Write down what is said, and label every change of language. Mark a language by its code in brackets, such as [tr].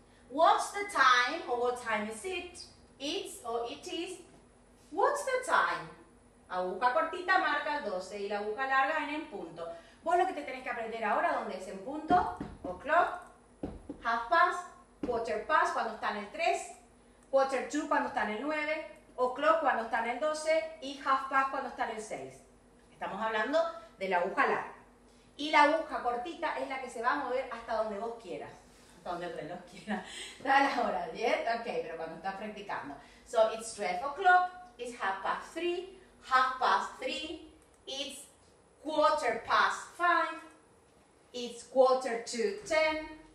[en] What's the time or what time is it? It's or it is. What's the time? [es] Aguja cortita marca el 12 y la aguja larga en punto. Vos lo que te tenés que aprender ahora, ¿dónde es en punto? O'clock, half past, quarter past cuando está en el 3, quarter to cuando está en el 9, o'clock cuando está en el 12 y half past cuando está en el 6. Estamos hablando de la aguja larga. Y la aguja cortita es la que se va a mover hasta donde vos quieras. Hasta donde el reloj quiera. Da la hora, ¿bien? Ok, pero cuando estás practicando. [en] So it's 12 o'clock, it's half past 3, half past 3, it's quarter past 5, it's quarter to 10.